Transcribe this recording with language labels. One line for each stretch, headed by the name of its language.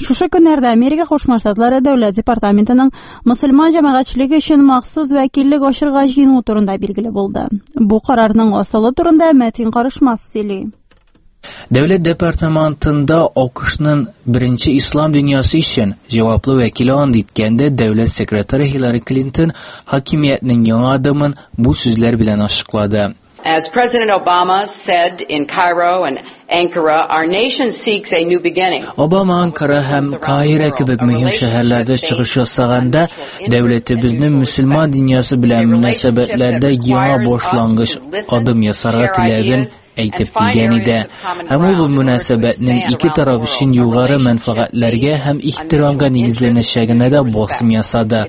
Tatar: Шушы көннәрдә Америка Кушма Штатлары Дәүләт департаментының мусульман җәмәгатьчелеге өчен махсус вәкиллек ачырга җыену турында билгеле булды. Бу карарның асылы турында Мәтин Карышмас сөйли. Дәүләт департаментында ОКШның беренче ислам дөньясы өчен җаваплы вәкиле анд иткәндә дәүләт секретары Хиллари Клинтон хакимиятнең яңа адымын бу сүзләр белән ачыклады.
English: As President Obama said in Cairo and Ankara, our nation seeks a new beginning.
Tatar: Obama Ankara һәм Каира кебек мөһим шәһәрләрдә чыгыш ясаганда, дәүләтебезнең мусламан дөньясы белән мөнәсәбәтләрдә яңа башлангыч адым ясарга теләген әйтеп килгән иде. Һәм ул бу мөнәсәбәтнең ике тараф өчен югары мәнфәгатьләргә һәм ихтирамга нигезләнәчәгенә дә басым ясады.